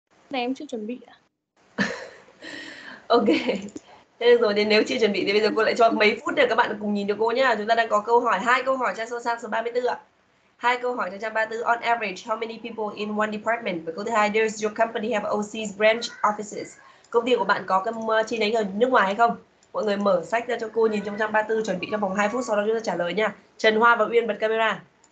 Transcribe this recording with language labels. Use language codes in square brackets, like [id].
[vi] Này em chưa chuẩn bị ạ. Ok. Thế rồi thì nếu chưa chuẩn bị thì bây giờ cô lại cho mấy phút để các bạn cùng nhìn được cô nhá. Chúng ta đang có câu hỏi, hai câu hỏi cho số sang số 34 ạ. Hai câu hỏi cho trang 34. [en] On average, how many people in one department? [vi] Và câu thứ hai, [en] does your company have overseas branch offices? [vi] Công ty của bạn có cái chi nhánh ở nước ngoài hay không? Mọi người mở sách ra cho cô nhìn trong trang 34, chuẩn bị trong vòng 2 phút sau đó chúng ta trả lời nha. Trần Hoa và Uyên bật camera.